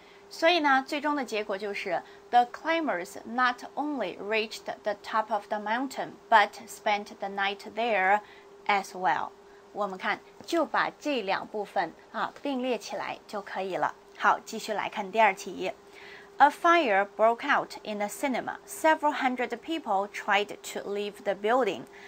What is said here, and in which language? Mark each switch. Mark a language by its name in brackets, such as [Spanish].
[Chinese] 所以呢最终的结果就是 [English] The climbers not only reached the top of the mountain but spent the night there as well。 [Chinese] 我们看就把这两部分并列起来就可以了。好，继续来看第二题。 [English] A fire broke out in a cinema. Several hundred people tried to leave the building.